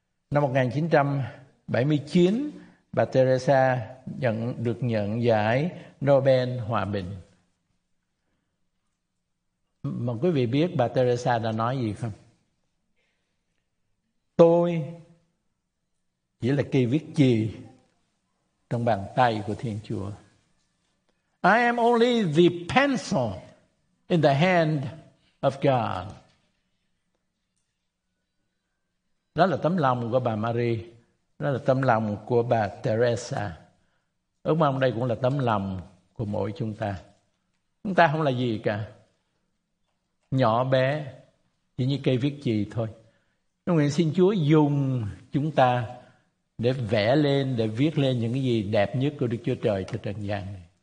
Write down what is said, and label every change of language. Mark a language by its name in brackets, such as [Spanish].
[Vietnamese] Năm 1979, bà Teresa được nhận giải Nobel Hòa Bình. Mà quý vị biết bà Teresa đã nói gì không? Tôi chỉ là cây viết chì trong bàn tay của Thiên Chúa. [English] I am only the pencil in the hand of God. [Vietnamese] Đó là tấm lòng của bà Marie. Đó là tấm lòng của bà Teresa. Ước mong đây cũng là tấm lòng của mỗi chúng ta. Chúng ta không là gì cả. Nhỏ bé, chỉ như cây viết chì thôi. Chúng mình xin Chúa dùng chúng ta để vẽ lên, để viết lên những cái gì đẹp nhất của Đức Chúa Trời cho trần gian này.